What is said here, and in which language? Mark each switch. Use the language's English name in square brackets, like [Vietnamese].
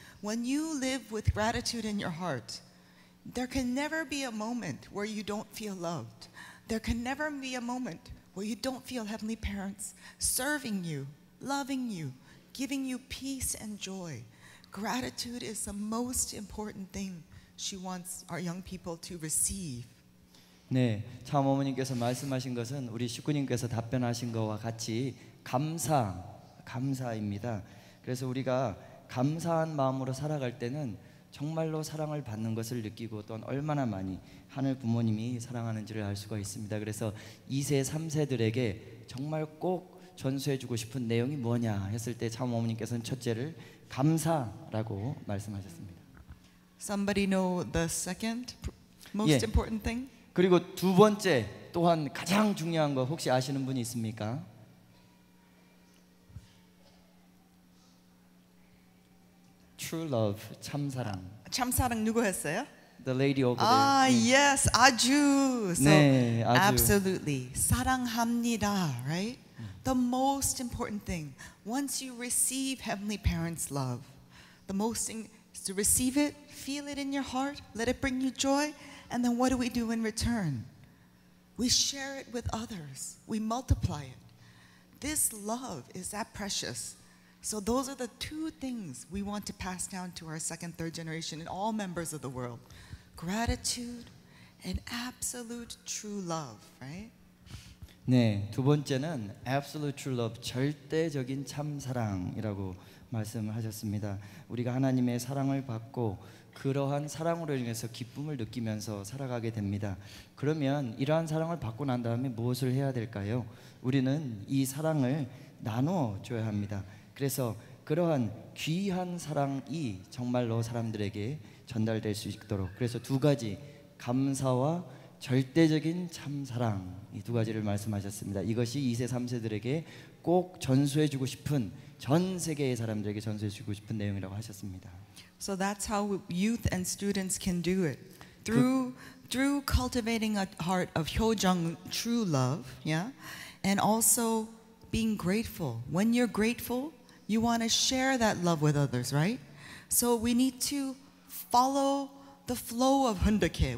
[English] When you live with gratitude in your heart, there can never be a moment where you don't feel loved. There can never be a moment where you don't feel Heavenly Parents serving you, loving you, giving you peace and joy. Gratitude is the most important thing she wants our young people to receive. [Korean] 네, 참 어머님께서 말씀하신 것은 우리 식구님께서 답변하신 것과 같이 감사, 감사입니다. 그래서 우리가 감사한 마음으로 살아갈 때는 정말로 사랑을 받는 것을 느끼고 또한 얼마나 많이 하늘 부모님이 사랑하는지를 알 수가 있습니다. 그래서 2세, 3세들에게 정말 꼭 전수해주고 싶은 내용이 뭐냐 했을 때 참 어머님께서는 첫째를 감사라고 말씀하셨습니다. [English] Somebody know the second most 예. important thing? [Korean] 그리고 두 번째 또한 가장 중요한 거 혹시 아시는 분이 있습니까? [English] True love, [Korean] 참사랑. 참사랑 누구 했어요? [English] The lady over there. Ah, 네. yes, 아주. So, 네, 아주. Absolutely. [Korean] 사랑합니다, [English] right? The most important thing. Once you receive Heavenly Parents' love, the most thing to receive it, feel it in your heart, let it bring you joy, and then what do we do in return? We share it with others. We multiply it. This love is that precious. So those are the two things we want to pass down to our second, third generation and all members of the world. Gratitude and absolute true love, right? [Korean] 네, 두 번째는 [English] absolute true love, [Korean] 절대적인 참사랑이라고 말씀하셨습니다. 우리가 하나님의 사랑을 받고 그러한 사랑으로 인해서 기쁨을 느끼면서 살아가게 됩니다. 그러면 이러한 사랑을 받고 난 다음에 무엇을 해야 될까요? 우리는 이 사랑을 나누어 줘야 합니다. 그래서 그러한 귀한 사랑이 정말로 사람들에게 전달될 수 있도록, 그래서 두 가지, 감사와 절대적인 참사랑, 이 두 가지를 말씀하셨습니다. 이것이 2세, 3세들에게 꼭 전수해주고 싶은, 전 세계의 사람들에게 전수해주고 싶은 내용이라고 하셨습니다. [English] So that's how youth and students can do it. Through cultivating a heart of 효정, true love, and also being grateful. When you're grateful, you want to share that love with others, right? So we need to follow the flow of 훈득해.